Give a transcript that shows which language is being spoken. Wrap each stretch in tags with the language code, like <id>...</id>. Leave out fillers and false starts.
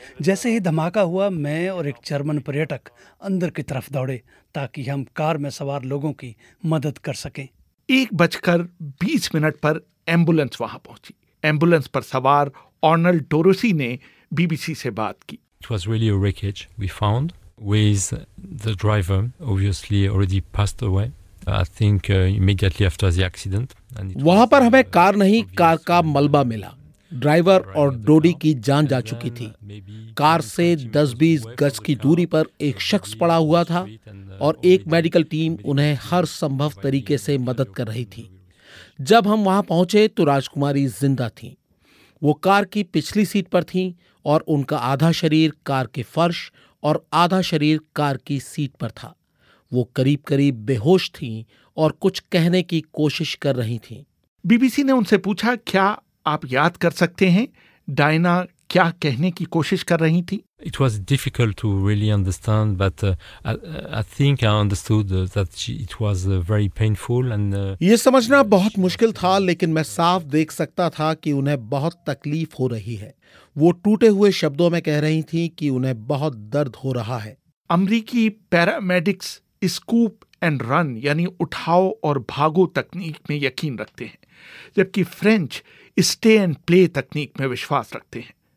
<hi>जैसे ही धमाका हुआ, मैं और एक जर्मन पर्यटक अंदर की तरफ दौड़े ताकि हम कार में सवार लोगों की मदद कर सकें। 1:20 पर एम्बुलेंस वहां पहुंची। एम्बुलेंस पर सवार ऑर्नल डोरोसी ने बीबीसी से बात की।</hi> <en>It was really a wreckage we found with the driver obviously already passed away. I think immediately after the accident.</en> <hi>वहां पर हमें कार नहीं कार का मलबा मिला। ड्राइवर और डोडी की जान जा चुकी थी। कार से 10-20 गज की दूरी पर एक शख्स पड़ा हुआ था और एक मेडिकल टीम उन्हें हर संभव तरीके से मदद कर रही थी। जब हम वहां पहुंचे तो राजकुमारी जिंदा थी। वो कार की पिछली सीट पर थी और उनका आधा शरीर कार के फर्श और आधा शरीर कार की सीट पर था। वो करीब करीब बेहोश थी और कुछ कहने की कोशिश कर रही थी। बीबीसी ने उनसे पूछा, क्या आप याद कर सकते हैं डायना क्या कहने की कोशिश कर रही थी?</hi> <en>It was difficult to really understand, but I think I understood that it was very painful and.</en> <hi>ये समझना बहुत मुश्किल था, लेकिन मैं साफ देख सकता था कि उन्हें बहुत तकलीफ हो रही है। वो टूटे हुए शब्दों में कह रही थी कि उन्हें बहुत दर्द हो रहा है। अमरीकी पैरामेडिक्स स्कूप एंड रन यानी उठाओ और भागो तकनीक में यकीन रखते हैं, जबकि फ्रेंच स्टे एंड प्ले तकनीक में विश्वास रखते हैं।</hi>